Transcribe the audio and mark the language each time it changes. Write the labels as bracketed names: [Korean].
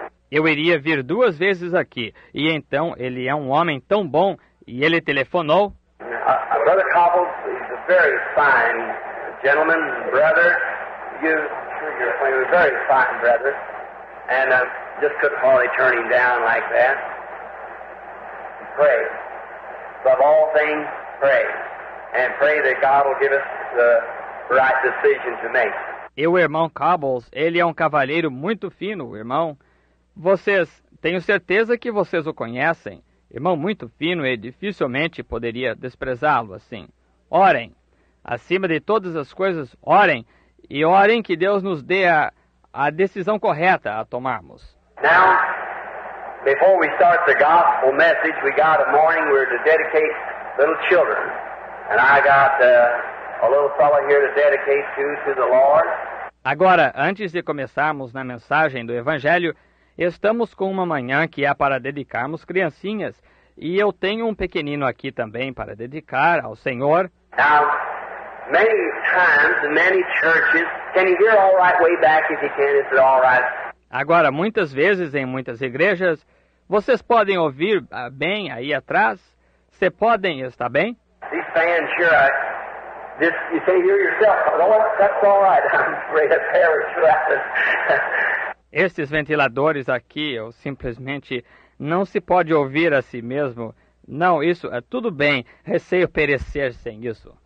[Portuguese] Eu iria vir 2 vezes aqui, e então ele é um homem tão bom, e ele telefonou. [English] Brother Cobbles, he's a very fine gentleman, brother. You, he was a very fine brother. And just couldn't hardly turn him down like that. Pray. Above all things, pray. And pray that God will give us the right decision to make. [Portuguese] E o irmão Cobbles, ele é um cavalheiro muito fino, irmão. Vocês, tenho certeza que vocês o conhecem. Irmão muito fino, ele dificilmente poderia desprezá-lo assim. Orem. Acima de todas as coisas, orem. E orem que Deus nos dê a decisão correta a tomarmos. [English] Now, before we start the gospel message, we got a morning we're to dedicate little children. And I got a little fellow here to dedicate to the Lord. [Portuguese] Agora, antes de começarmos na mensagem do Evangelho, estamos com uma manhã que é para dedicarmos criancinhas. E eu tenho um pequenino aqui também para dedicar ao Senhor. [English] Now, many times, many churches, can you hear all right way back if you can, is it all right? [Portuguese] Agora, muitas vezes, em muitas igrejas, vocês podem ouvir bem aí atrás? Você podem, está bem? [English] These fans here, this, you can hear yourself. Well, that's all right. I'm afraid of parish rapids. [Portuguese] Estes ventiladores aqui, eu simplesmente não se pode ouvir a si mesmo. Não, isso é tudo bem. Receio perecer sem isso.